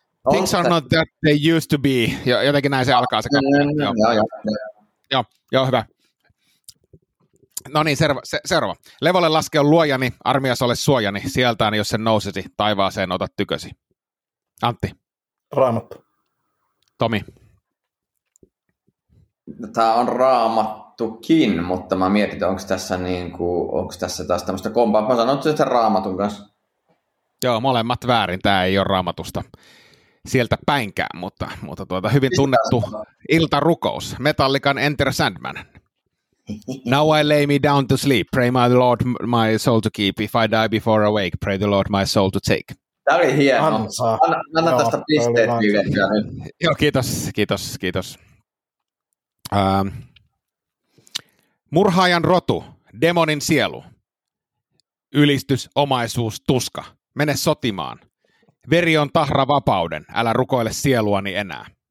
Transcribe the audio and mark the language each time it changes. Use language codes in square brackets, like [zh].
[en] Things are not that they used to be. [fi] Jotenkin näin se alkaa se kappale. Joo, hyvä. Noniin, seuraava. Levolle laske on luojani, armias ole suojani, sieltään jos sen nousisi, taivaaseen ota tykösi. Antti. Raamattu. Tomi. Tämä on Raamattu. Tukin, mutta mä mietin, onko tässä, taas tämmöistä kompaa. Mä sanon, että sen Raamatun kanssa. Joo, molemmat väärin. Tämä ei ole Raamatusta sieltä päinkään, mutta hyvin tunnettu iltarukous. Metallican Enter Sandman. [en] Now I lay me down to sleep. Pray my Lord my soul to keep. If I die before awake, pray the Lord my soul to take. [fi] Tämä oli hieno. Anna tästä pisteet yhdessä. Joo, kiitos. Murhaajan rotu, demonin sielu, ylistys, omaisuus, tuska, mene sotimaan, veri on tahra vapauden, älä rukoile sieluani enää.